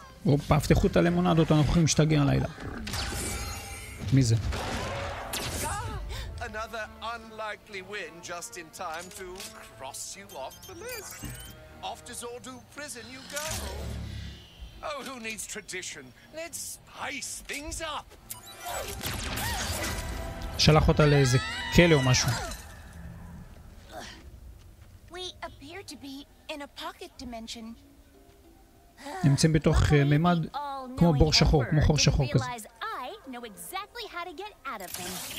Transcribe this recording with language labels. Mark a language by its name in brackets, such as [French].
[Hebrew] Opa, פתחו את הלמונדות, אנחנו הולכים להשתגע הלילה. מי זה? [English] Another unlikely win just in time to cross you off the list. Off to Zordu prison you go. Oh, who needs tradition? Let's spice things up. [Hebrew] שלח אותה לאיזה כלא או משהו. [English] We appear to be in a pocket dimension. [Hebrew] נמצאים בתוך ממד כמו בור שחור, כמו חור שחור כזה. [English] know exactly how to get out of them.